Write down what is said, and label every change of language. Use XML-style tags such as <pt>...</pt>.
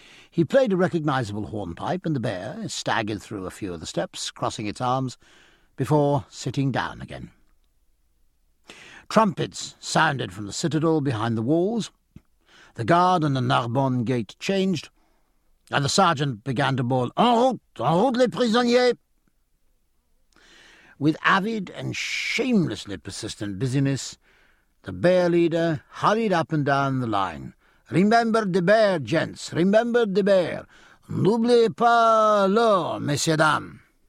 <en>He played a recognisable hornpipe, and the bear staggered through a few of the steps, crossing its arms, before sitting down again. Trumpets sounded from the citadel behind the walls. The guard and the Narbonne gate changed, and the sergeant began to bawl,</en> <fr>en route, les prisonniers!"</fr> <en>With avid and shamelessly persistent busyness, the bear leader hurried up and down the line. "Remember the bear, gents, remember the bear.</en> <fr>N'oubliez pas l'eau, messieurs dames."</fr>